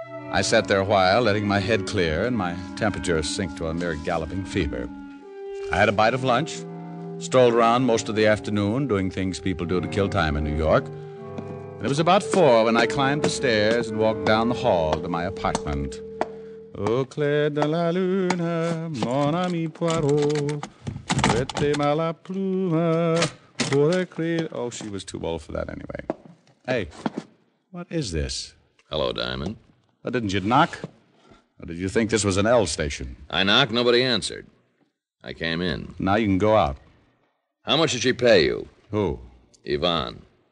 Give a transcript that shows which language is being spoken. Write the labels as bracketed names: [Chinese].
[English] I sat there a while, letting my head clear and my temperature sink to a mere galloping fever. I had a bite of lunch, strolled around most of the afternoon doing things people do to kill time in New York. And it was about 4 when I climbed the stairs and walked down the hall to my apartment. [French] Au clair de la lune, mon ami Poirot, prêtez-moi la plume pour écrire... [English] Oh, she was too old for that anyway. Hey, what is this? Hello, Diamond. Well, didn't you knock? Or did you think this was an L station? I knocked, nobody answered. I came in. Now you can go out. How much did she pay you? Who? Yvonne.